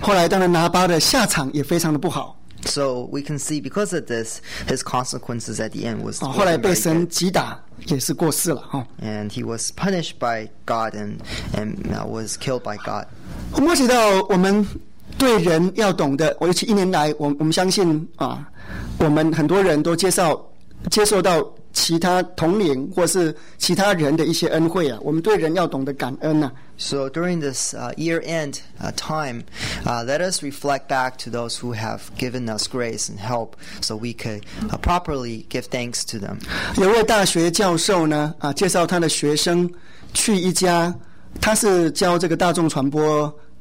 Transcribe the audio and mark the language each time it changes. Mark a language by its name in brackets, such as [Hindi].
[Chinese] 后来当然拿巴的下场也非常的不好。 [English] So we can see because of this, his consequences at the end was [Chinese] 后来被神击打也是过世了。 [English] And he was punished by God and was killed by God. [Chinese] 我摸起到我们对人要懂得，尤其一年来，我们相信啊，我们很多人都接受到其他同龄或是其他人的一些恩惠啊，我们对人要懂得感恩呐、啊。 [English] So during this year-end time, let us reflect back to those who have given us grace and help, so we could properly give thanks to them. [Chinese] 有位大学教授呢，啊，介绍他的学生去一家，他是教这个大众传播。